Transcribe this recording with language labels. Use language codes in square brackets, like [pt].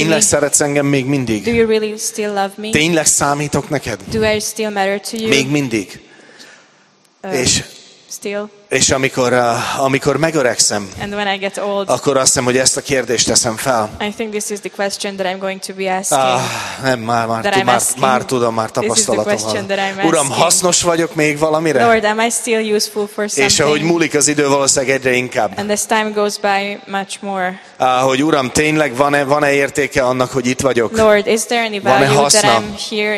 [hu] Tényleg szeretsz engem még mindig? [en] Do you really still love me? [hu] Tényleg számítok neked? [en] Do I still matter to you? [hu] Még mindig. És [en] still. [hu] És amikor megöregszem, [en] and when I get old, [hu] akkor azt hiszem, hogy ezt a kérdést teszem fel. [en] I think this is the question that I'm going to be asking. [hu] Nem, már tudom, már tapasztalatom van. Uram, hasznos vagyok még valamire? [en] Lord, am I still useful for something? [hu] És ahogy múlik az idő, valószínűleg egyre inkább. [en] And as time goes by, much more. [hu] Hogy Uram, tényleg van-e értéke annak, hogy itt vagyok? [en] Lord, is there any value that I'm here?